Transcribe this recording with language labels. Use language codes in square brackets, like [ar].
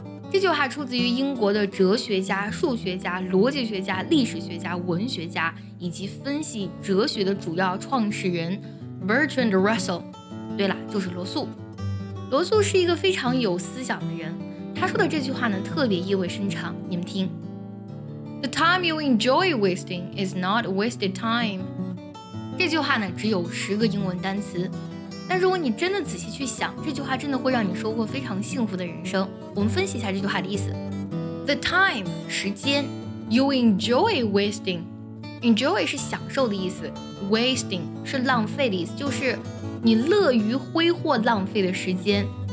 [zh] 这句话出自于英国的哲学家、数学家、逻辑学家、历史学家、文学家以及分析哲学的主要创始人 Bertrand Russell。对了，就是罗素。罗素是一个非常有思想的人，他说的这句话呢特别意味深长，你们听。 [en] The time you enjoy wasting is not wasted time. [zh] 这句话呢只有10个英文单词，但如果你真的仔细去想，这句话真的会让你收获非常幸福的人生。我们分析一下这句话的意思。 [en] The time [zh] 时间 [en] You enjoy wasting [zh] Enjoy 是享受的意思， Wasting 是浪费的意思，就是你乐于挥霍浪费的时间。